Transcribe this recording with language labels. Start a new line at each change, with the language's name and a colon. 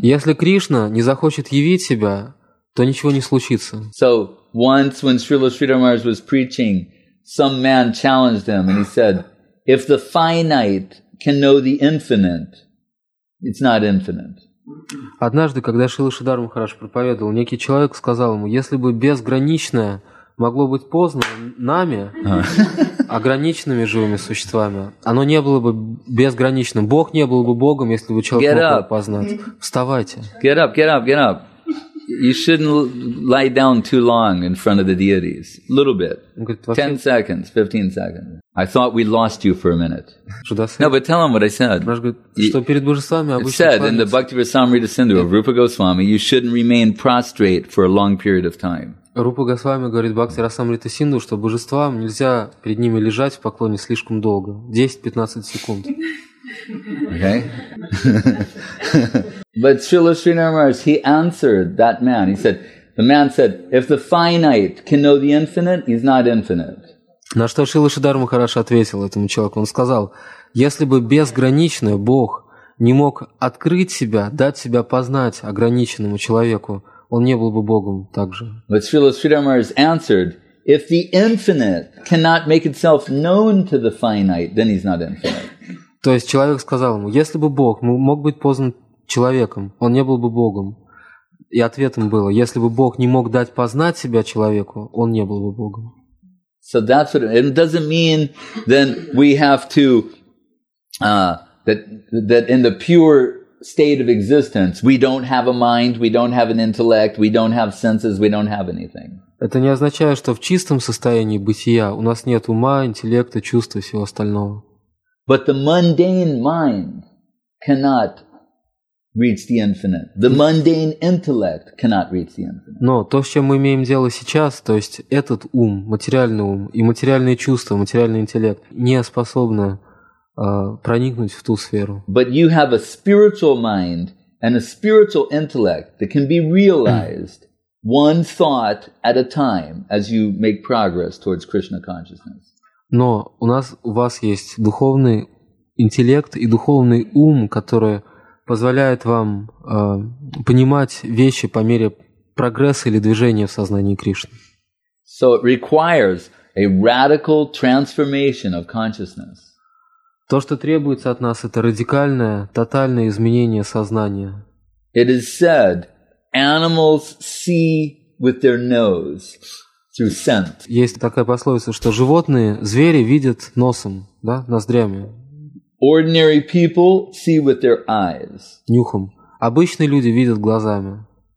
Russian: Если Кришна не захочет явить себя, то ничего не случится.
English: So once when Srila Sridhar Maharaj was preaching, some man challenged him and he said, if the finite can know the infinite, it's not infinite.
Russian: Однажды, когда Шрила Шридхар Махарадж проповедовал, некий человек сказал ему, если бы безграничное могло быть познано нами, ограниченными живыми существами, оно не было бы безграничным. Бог не был бы Богом, если бы человек мог его познать. Вставайте.
English: Get up, get up, get up. You shouldn't lie down too long in front of the deities. A little bit. 10 seconds, 15 seconds. I thought we lost you for a minute. No, but tell him what I said. It said in the Bhaktivinoda Sindhu of Rupa Goswami, you shouldn't remain prostrate for a long period of time.
Russian: Рупа Госвами говорит Бхакти Расамрита Синду, что божествам нельзя перед ними лежать в поклоне слишком долго. 10-15 секунд.
English: Okay. But Srila Sridhar Maharaj, he answered that man. He said, the man said, if the finite can know the infinite, he's not infinite.
Russian: На что Шрила Шридхар Махарадж ответил этому человеку. Он сказал, если бы безграничный Бог не мог открыть себя, дать себя познать ограниченному человеку, он не был бы Богом также.
English: But Srila Sridhar Maharaj answered, if the infinite cannot make itself known to the finite, then he's not infinite.
Russian: То есть человек сказал ему, если бы Бог мог быть познан человеком, он не был бы Богом. И ответом было, если бы Бог не мог дать познать себя человеку, он не был бы Богом.
English: So that's what it doesn't mean then we have to that in the pure state of existence, we don't have a mind, we don't have an intellect, we don't have senses, we don't have anything.
Russian: Это не означает, что в чистом состоянии бытия у нас нет ума, интеллекта, чувства и всего остального.
English: But the mundane mind cannot reach the infinite. The mundane intellect cannot reach the infinite.
Russian: Но то, с чем мы имеем дело сейчас, то есть этот ум, материальный ум и материальные чувства, материальный интеллект не способны проникнуть в ту сферу.
English: But you have a spiritual mind and a spiritual intellect that can be realized one thought at a time as you make progress towards Krishna consciousness.
Russian: Но у вас есть духовный интеллект и духовный ум, который позволяет вам понимать вещи по мере прогресса или движения в сознании Кришны.
English: So it requires a radical transformation of consciousness.
Russian: То, что требуется от нас, это радикальное, тотальное изменение сознания.
English: It is said, animals see with their nose through scent.
Russian: Есть такая пословица, что животные, звери видят носом, да, ноздрями.
English: Ordinary people see with their eyes.
Russian: Нюхом. Обычные люди видят глазами.